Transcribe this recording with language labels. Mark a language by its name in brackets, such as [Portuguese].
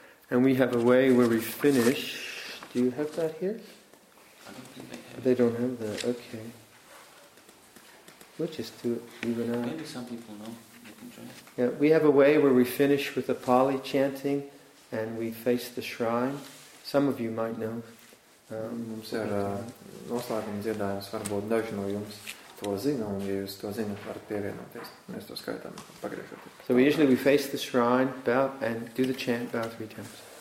[English] And we have a way where we finish. Do you have that here? They don't have that. Okay. We'll just do it. Even maybe some people know. They can try. Yeah, we have a way where we finish with the Pali chanting, and we face the shrine. Some of you might know. [Latvian] Mums ir noslēguma dziedājums, varbūt daži no jums to zina, un ja jūs to zinat, varat pievienoties. Mēs to skaitām pagriežoties. [English] So usually we face the shrine, bow, and do the chant, bow three times.